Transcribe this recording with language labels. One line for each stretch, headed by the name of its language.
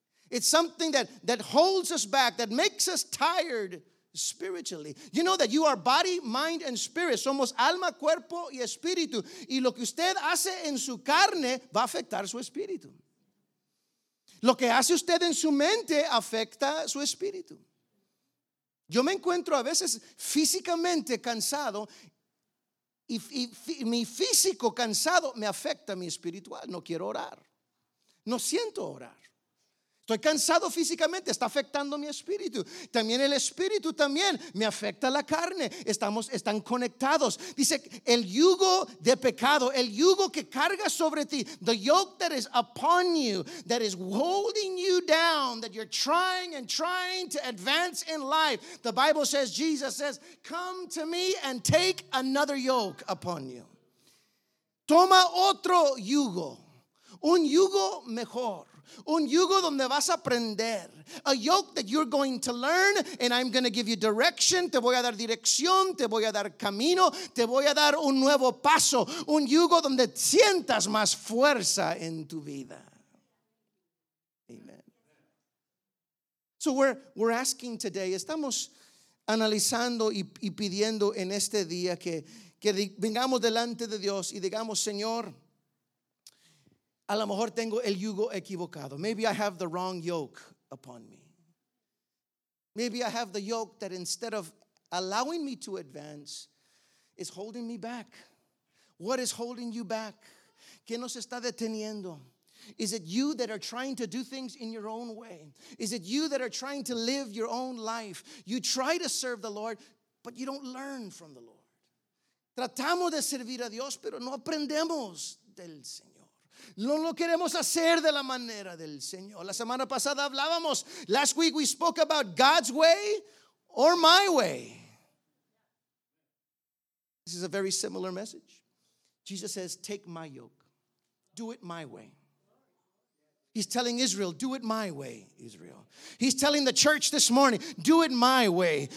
English: It's something that holds us back, that makes us tired spiritually. You know that you are body, mind, and spirit.
Spanish: Somos alma, cuerpo, y espíritu. Y lo que usted hace en su carne va a afectar su espíritu. Lo que hace usted en su mente afecta su espíritu. Yo me encuentro a veces físicamente cansado, y mi físico cansado me afecta mi espiritual. No quiero orar. No siento orar. Estoy cansado físicamente, está afectando mi espíritu. También el espíritu también me afecta la carne. Están conectados. Dice el yugo de pecado, el yugo que carga sobre ti,
English: the yoke that is upon you, that is holding you down, that you're trying and trying to advance in life. The Bible says, Jesus says, come to me and take another yoke upon you.
Spanish: Toma otro yugo, un yugo mejor. Un yugo donde vas a aprender.
English: A yoke that you're going to learn, and I'm going to give you direction.
Spanish: Te voy a dar dirección, te voy a dar camino, te voy a dar un nuevo paso. Un yugo donde sientas más fuerza en tu vida. Amen.
English: So we're asking today,
Spanish: estamos analizando y pidiendo en este día que vengamos delante de Dios y digamos, Señor, a lo mejor tengo el yugo equivocado.
English: Maybe I have the wrong yoke upon me. Maybe I have the yoke that instead of allowing me to advance, is holding me back. What is holding you back?
Spanish: ¿Qué nos está deteniendo?
English: Is it you that are trying to do things in your own way? Is it you that are trying to live your own life? You try to serve the Lord, but you don't learn from the Lord.
Spanish: Tratamos de servir a Dios, pero no aprendemos del Señor. No lo queremos hacer de la manera del Señor. La semana pasada hablábamos.
English: Last week we spoke about God's way or my way. This is a very similar message. Jesus says, take my yoke. Do it my way. He's telling Israel, do it my way, Israel. He's telling the church this morning, do it my way.